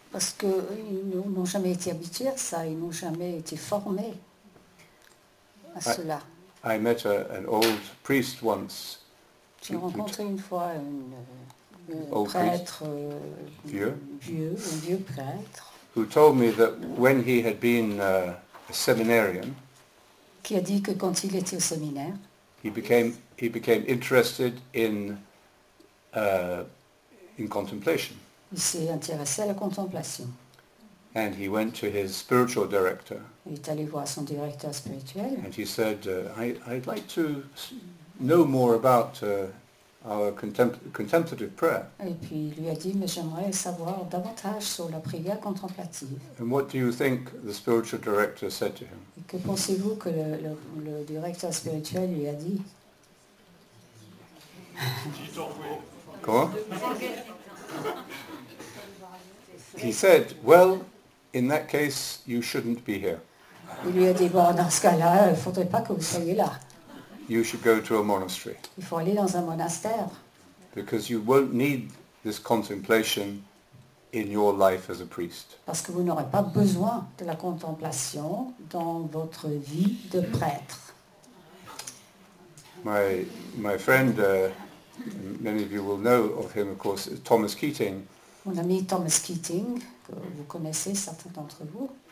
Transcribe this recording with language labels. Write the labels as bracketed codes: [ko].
[fr] Parce qu'ils n'ont jamais été habitués à ça, ils n'ont jamais été formés à cela. [en] I met an old priest once. [fr] J'ai rencontré une fois un prêtre vieux prêtre. [en] Who told me that when he had been a seminarian, [fr] qui a dit que quand il était au séminaire, [en] he became interested in contemplation. [fr] Il s'est intéressé à la contemplation. [en] And he went to his spiritual director. [fr] Il est allé voir son directeur spirituel. [en] And he said, I'd like to know more about our contemplative prayer. [fr] Et puis il lui a dit, mais j'aimerais savoir davantage sur la prière contemplative. [en] And what do you think the spiritual director said to him? [fr] Et que pensez-vous que le directeur spirituel lui a dit? Quoi? [en] He said, well, in that case, you shouldn't be here. [fr] Il lui a dit, bon, dans ce cas-là, il ne faudrait pas que vous soyez là. [en] You should go to a monastery. [fr] Il faut aller dans un monastère. [en] Because you won't need this contemplation in your life as a priest. [fr] Parce que vous n'aurez pas besoin de la contemplation dans votre vie de prêtre. [en] My friend, many of you will know of him, of course, Thomas Keating. [fr] Mon ami Thomas Keating, que vous connaissez certains d'entre vous,